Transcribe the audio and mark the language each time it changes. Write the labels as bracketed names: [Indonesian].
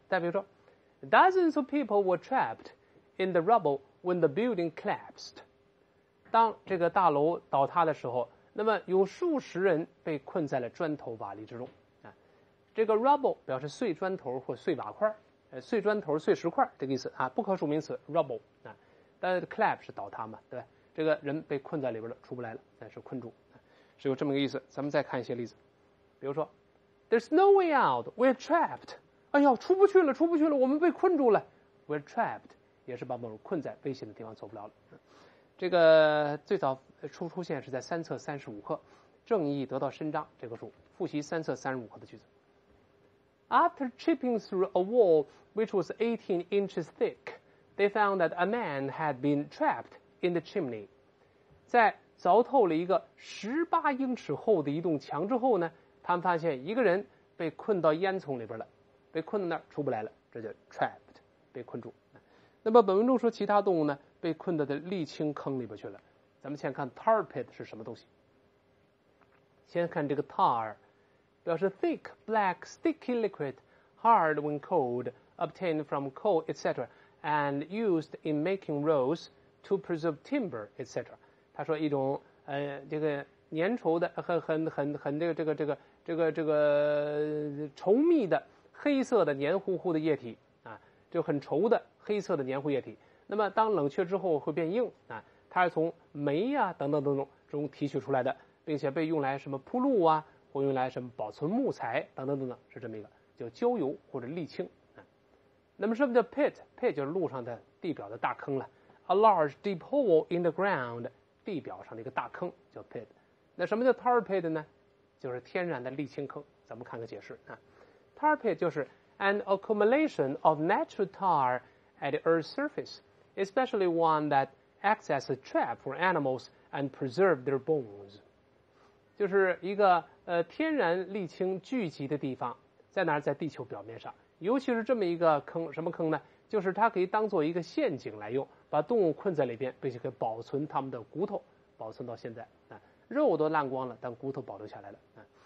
[English] 再比如说 Dozens of people were trapped in the rubble when the building collapsed. [Chinese] 当这个大楼倒塌的时候，那么有数十人被困在了砖头瓦砾之中。这个 rubble 表示碎砖头或碎瓦块，碎砖头、碎石块这个意思啊，不可数名词 rubble 啊。但 collapse 是倒塌嘛，对吧？这个人被困在里边了，出不来了，是困住，是有这么个意思。咱们再看一些例子，比如说 ， There's no way out. We're trapped. 哎呦，出不去了，出不去了，我们被困住了。 We're trapped，也是把某人困在危险的地方，走不了了。这个最早出现是在三册三十五课，正义得到伸张这个书，复习三册三十五课的句子。 [English] After chipping through a wall which was 18 inches thick, they found that a man had been trapped in the chimney. [Chinese] 在凿透了一个18英尺厚的一栋墙之后呢，他们发现一个人被困到烟囱里边了。被困在那儿出不来了，这叫 trapped， 被困住。那么本文中说其他动物呢被困到的沥青坑里边去了。咱们先看 tar pit 是什么东西。 [English] 先看这个 tar，表示 thick black sticky liquid hard when cold obtained from coal etc. and used in making roads to preserve timber etc. [Chinese] 他说一种这个粘稠的很这个稠密的黑色的黏糊糊的液体啊，就很稠的黑色的黏糊液体，那么当冷却之后会变硬啊，它是从煤啊等等中提取出来的，并且被用来什么铺路啊，或用来什么保存木材等等，是这么一个叫焦油或者沥青啊。那么什么叫 pit？pit 就是路上的地表的大坑了。 [English] a large deep hole in the ground，地表上的一个大坑叫 pit。 [Chinese] 那什么叫 tar pit 呢？就是天然的沥青坑。 [English] 咱们看个解释啊， tar pit 就是 an accumulation of natural tar at the earth's surface， especially one that acts as a trap for animals and preserve their bones。 [Chinese] 就是一个天然沥青聚集的地方，在哪儿？在地球表面上。尤其是这么一个坑，什么坑呢？就是它可以当做一个陷阱来用，把动物困在里边，并且可以保存它们的骨头，保存到现在啊，肉都烂光了，但骨头保留下来了啊。